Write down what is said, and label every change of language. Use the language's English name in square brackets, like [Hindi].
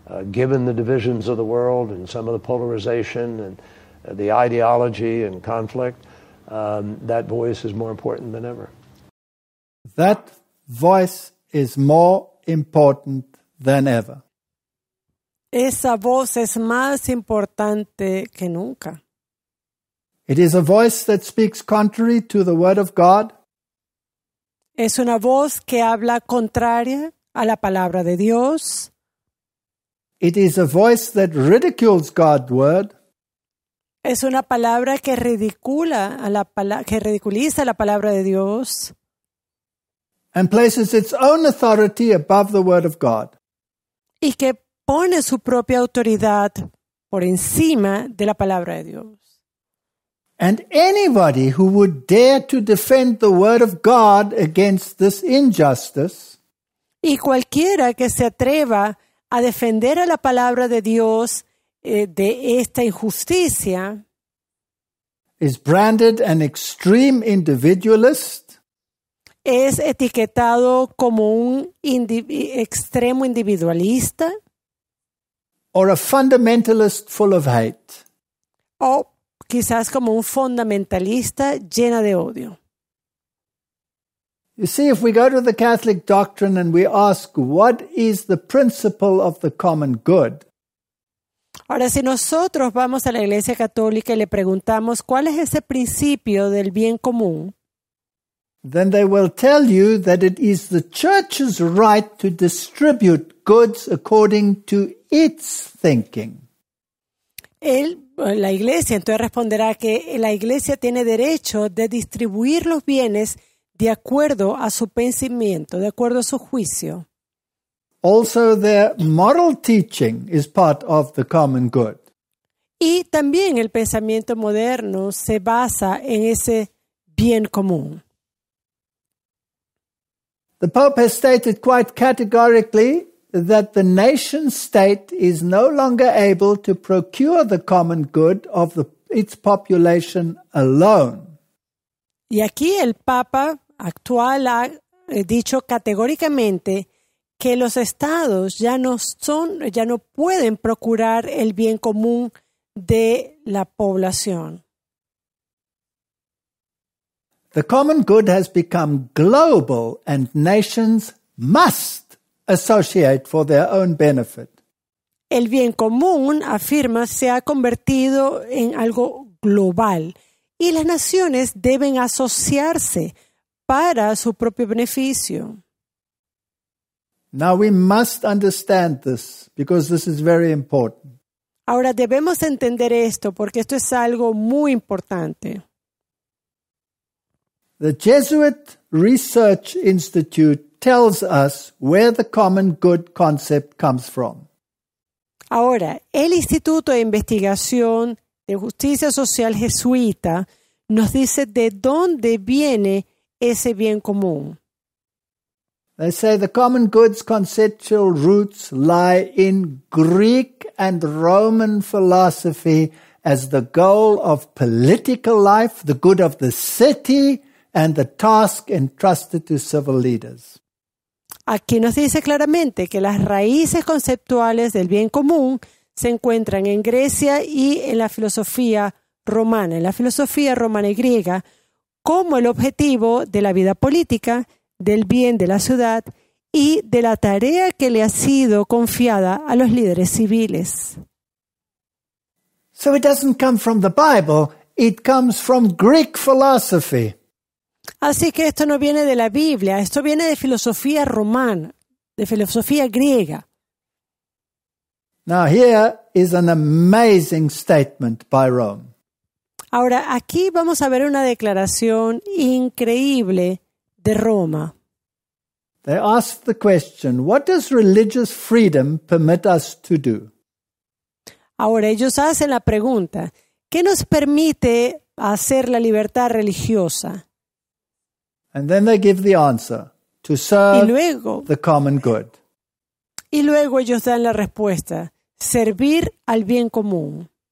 [English] Given the divisions of the world and some of the polarization and the ideology and conflict, that voice is more important than ever. That voice is more important than ever. [Spanish] Esa voz es más importante que nunca. [English] It is a voice that speaks contrary to the word of God. [Spanish] Es una voz que habla contraria a la palabra de Dios. [English] It is a voice that ridicules God's word. [Spanish] Es una palabra que ridicula a la que ridiculiza la palabra de Dios. [English] And places its own authority above the word of God. [Spanish] Y que pone su propia autoridad por encima de la palabra de Dios. [English] And anybody who would dare to defend the word of God against this injustice. [Spanish] Y cualquiera que se atreva a defender a la palabra de Dios de esta injusticia [English] is branded an extreme individualist, [Spanish] es etiquetado como un extremo individualista, [English] or a fundamentalist full of hate, [Spanish] o quizás como un fundamentalista llena de odio. [English] You see, if we go to the Catholic doctrine and we ask, what is the principle of the common good? [Spanish] Ahora, si nosotros vamos a la Iglesia Católica y le preguntamos, ¿cuál es ese principio del bien común? [English] Then they will tell you that it is the church's right to distribute goods according to its thinking. [Spanish] La Iglesia entonces responderá que la Iglesia tiene derecho de distribuir los bienes de acuerdo a su pensamiento, de acuerdo a su juicio. [English] Also, their moral teaching is part of the common good. [Spanish] Y también el pensamiento moderno se basa en ese bien común. [English] The Pope has stated quite categorically that the nation state is no longer able to procure the common good of its population alone. [Spanish] Y aquí el Papa actual ha dicho categóricamente que los estados ya no pueden procurar el bien común de la población. [English] The common good has become global and nations must associate for their own benefit. [Spanish] El bien común, afirma, se ha convertido en algo global y las naciones deben asociarse para su propio beneficio. [English] Now we must understand this because this is very important. [Spanish] Ahora debemos entender esto porque esto es algo muy importante. [English] The Jesuit Research Institute tells us where the common good concept comes from. [Spanish] Ahora, el Instituto de Investigación de Justicia Social Jesuita nos dice de dónde viene ese bien común. [English] They say the common good's conceptual roots lie in Greek and Roman philosophy as the goal of political life, the good of the city, and the task entrusted to civil leaders. [Spanish] Aquí nos dice claramente que las raíces conceptuales del bien común se encuentran en Grecia y en la filosofía romana, y griega, como el objetivo de la vida política, del bien de la ciudad y de la tarea que le ha sido confiada a los líderes civiles. [English] So it doesn't come from the Bible, it comes from Greek philosophy. [Spanish] Así que esto no viene de la Biblia, esto viene de filosofía romana, de filosofía griega. [English] Now here is an amazing statement by Rome. [Spanish] Ahora aquí vamos a ver una declaración increíble de Roma. [English] They ask the question, what does religious freedom permit us to do? [Spanish] Ahora ellos hacen la pregunta, ¿qué nos permite hacer la libertad religiosa? [English] And then they give the answer, to serve the common good. [Spanish] Y luego ellos dan la respuesta, servir al bien común.